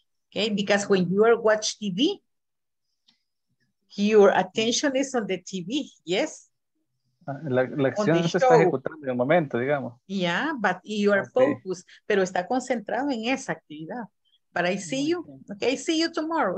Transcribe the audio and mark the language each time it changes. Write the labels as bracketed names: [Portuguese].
[English] Okay, because when you are watch TV, your attention is on the TV, yes? [Spanish] La acción se está ejecutando en el momento, digamos. [English] Yeah, but you are focused, [Spanish] pero está concentrado en esa actividad. [English] But I see you, okay, see you tomorrow.